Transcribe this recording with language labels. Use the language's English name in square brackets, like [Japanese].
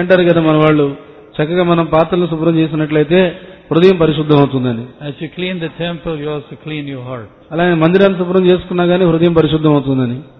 [Telugu] అంటారు కదా మన వాళ్ళు, చక్కగా మనం పాత్రను శుభ్రం చేసినట్లయితే హృదయం పరిశుద్ధం అవుతుందని. [English] As you clean the temple, you also clean your heart. [Telugu] అలాగే మందిరాన్ని శుభ్రం చేసుకున్నా గానీ హృదయం పరిశుద్ధం అవుతుందని.